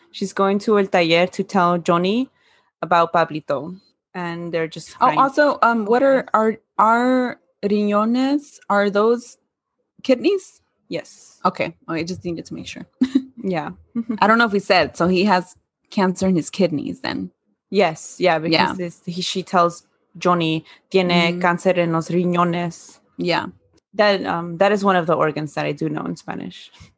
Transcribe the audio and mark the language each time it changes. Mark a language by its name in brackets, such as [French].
[English] She's going to El Taller to tell Johnny about Pablito. And they're just crying. Oh, also, what are our riñones? Are those kidneys? Yes. Okay. Oh, I just needed to make sure. Yeah. I don't know if we said. So he has cancer in his kidneys then. Yes. Yeah. She tells Johnny, [Spanish] tiene cáncer en los riñones. [English] Yeah. That is one of the organs that I do know in Spanish.